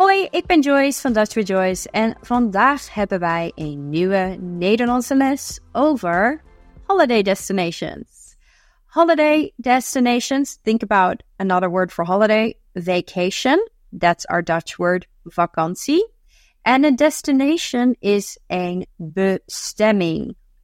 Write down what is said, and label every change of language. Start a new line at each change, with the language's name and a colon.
Dutch: Ik ben Joyce van Dutch with Joyce en vandaag hebben wij een nieuwe Nederlandse les over
English: holiday destinations. Holiday destinations, think about another word for holiday, vacation. That's our Dutch word, vakantie. And a destination is
Dutch: een bestemming.